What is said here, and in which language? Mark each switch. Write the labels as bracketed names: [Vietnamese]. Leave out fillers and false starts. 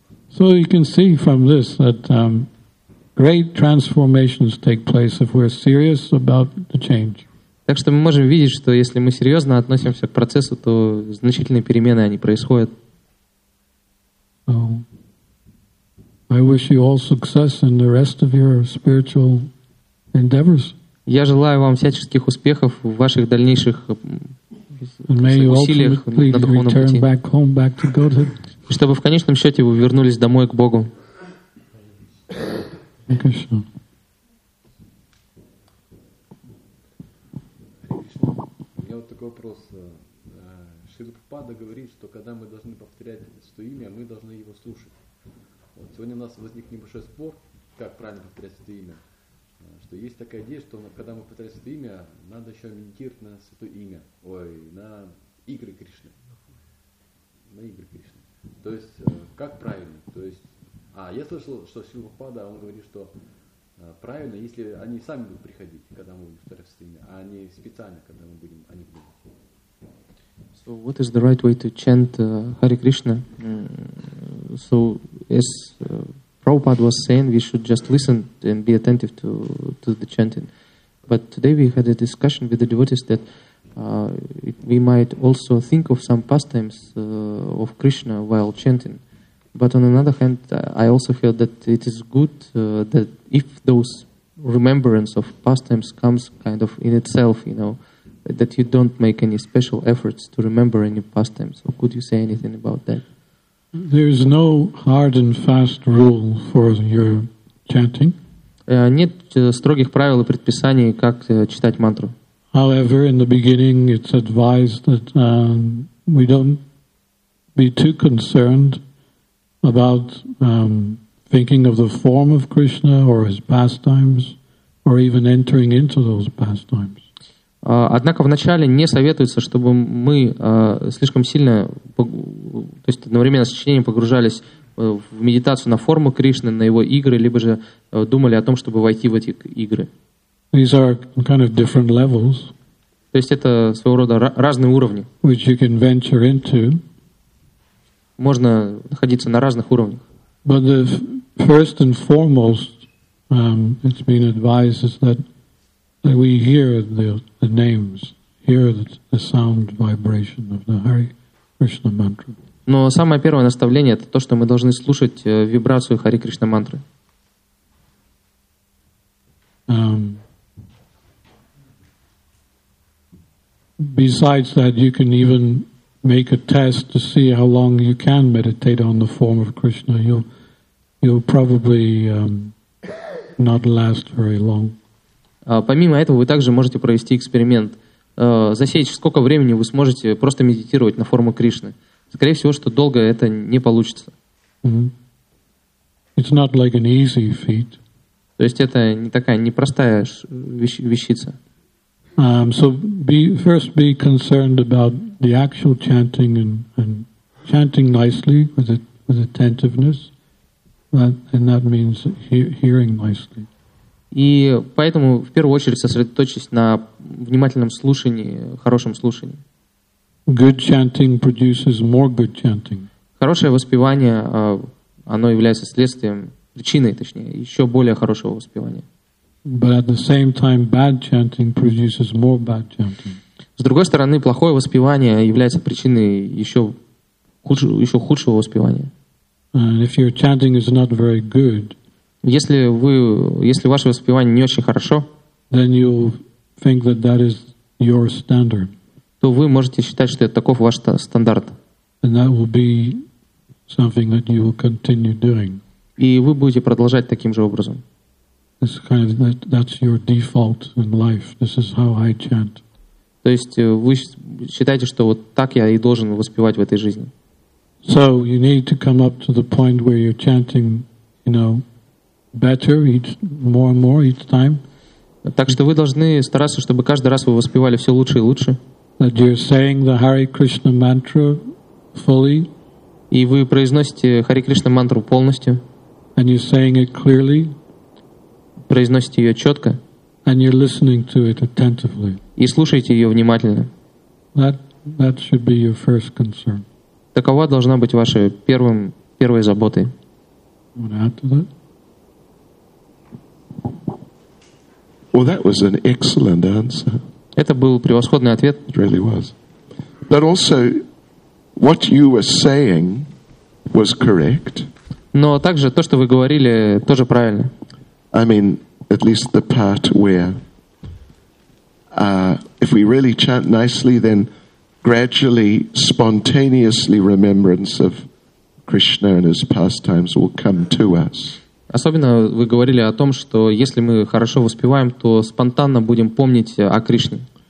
[English] So you can see from this that great transformations take place if we're serious about the change. [Russian] Так что мы можем видеть, что если мы серьезно относимся к процессу, то значительные перемены они происходят. [English] I wish you all success in the rest of your spiritual endeavors. [Russian] Я желаю вам всяческих успехов в ваших дальнейших усилиях на духовном пути. [English] Back home, back to Godhead. [Russian] И чтобы в конечном счете вы вернулись домой к Богу. У меня вот такой вопрос. Шрила Прабхупада говорит, что когда мы должны повторять свое имя, мы должны его слушать. Вот сегодня у нас возник небольшой спор, как правильно повторять это имя. Что есть такая идея, что когда мы повторяем это имя, надо еще медитировать на святое имя. Ой, на игры Кришны. На игры Кришны. То есть, как правильно? То есть, я слышал, что Шрила Прабхупада, он говорит, что правильно, если они сами будут приходить, когда мы будем повторять это имя, а не специально, когда мы будем, они будут. [English] So what is the right way to chant Hare Krishna? So as Prabhupada was saying, we should just listen and be attentive to the chanting. But today we had a discussion with the devotees that we might also think of some pastimes of Krishna while chanting. But on another hand, I also feel that it is good that if those remembrance of pastimes comes kind of in itself, you know, that you don't make any special efforts to remember any pastimes. So could you say anything about that? There is no hard and fast rule for your chanting. [Russian] Нет строгих правил и предписаний, как читать мантру. [English] However, in the beginning, it's advised that we don't be too concerned about thinking of the form of Krishna or his pastimes, or even entering into those pastimes. [Russian] Однако вначале не советуется, чтобы мы слишком сильно, то есть одновременно с чтением погружались в медитацию на форму Кришны, на его игры, либо же думали о том, чтобы войти в эти игры. [English] These are kind of different levels, [Russian] то есть это своего рода разные уровни, [English] which you can venture into. [Russian] Можно находиться на разных уровнях. [English] But the first and foremost, it's been advised is that we hear the names, hear the sound vibration of the Hare Krishna mantra. [Russian] Но самое первое наставление это то, что мы должны слушать вибрацию Хари Кришна мантры. [English] Besides that, you can even make a test to see how long you can meditate on the form of Krishna. You'll probably not last very long. [Russian] Помимо этого, вы также можете провести эксперимент. Засечь, сколько времени вы сможете просто медитировать на форму Кришны. Скорее всего, что долго это не получится. [English] It's not like an easy feat. [Russian] То есть это не такая непростая вещица. [English] So first be concerned about the actual chanting and chanting nicely with attentiveness, and that means hearing nicely. [Russian] И поэтому в первую очередь сосредоточьтесь на внимательном слушании, хорошем слушании. [English] Good chanting produces more good chanting. [Russian] Хорошее воспевание, оно является следствием, причиной, точнее, еще более хорошего воспевания. [English] But at the same time, bad chanting produces more bad chanting. [Russian] С другой стороны, плохое воспевание является причиной еще худшего воспевания. [English] And if your chanting is not very good, [Russian] если ваше воспевание не очень хорошо, [English] then you think that that is your standard. [Russian] То вы можете считать, что это таков ваш стандарт. [English] And that will be something that you will continue doing. И вы будете продолжать таким же образом. It's kind of that's your default in life. This is how I chant. [Russian] То есть вы считаете, что вот так я и должен воспевать в этой жизни. [English] So you need to come up to the point where you're chanting, you know, better each more and more each time. [Russian] Так что вы должны стараться, чтобы каждый раз вы воспевали все лучше и лучше. [English] That you're saying the Hare Krishna mantra fully. [Russian] И вы произносите Харе Кришна мантру полностью. [English] And you're saying it clearly. [Russian] Произносите ее четко. [English] And you're listening to it attentively. [Russian] И слушаете ее внимательно. [English] That should be your first concern. [Russian] Такова должна быть вашей первой заботой. [English] Want to add to that? Well, that was an excellent answer. [Russian] Это был превосходный ответ. [English] It really was. But also, what you were saying was correct. [Russian] Но также то, что вы говорили, тоже правильно. [English] I mean, at least the part where if we really chant nicely, then gradually, spontaneously, remembrance of Krishna and his pastimes will come to us. [Russian] Особенно вы говорили о том, что если мы хорошо воспеваем, то спонтанно будем помнить о Кришне.